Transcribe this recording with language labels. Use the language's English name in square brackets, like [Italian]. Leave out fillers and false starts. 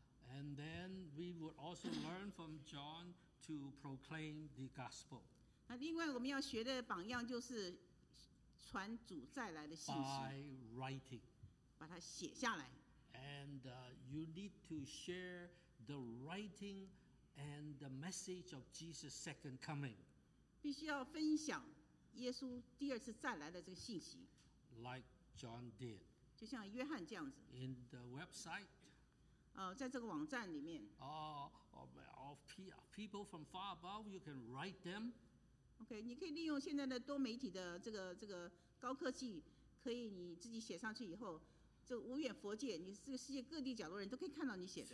[English] And then we would also learn from John to proclaim the gospel. [Chinese] 那另外我们要学的榜样就是传主再来的信息。 [English] By writing. [Chinese] 把它写下来。 [English] And you need to share the writing. And the message of Jesus' second coming. [Chinese] 必须要分享耶稣第二次再来的这个信息。 [English] Like John did. [Chinese] 就像约翰这样子。 [English] In the website. [Chinese] 在这个网站里面。 [English] Of people from far above, you can write them. Okay, [Chinese] 你可以利用现在的多媒体的这个高科技，可以你自己写上去以后，这个无远佛界，你这个世界各地角落人都可以看到你写的。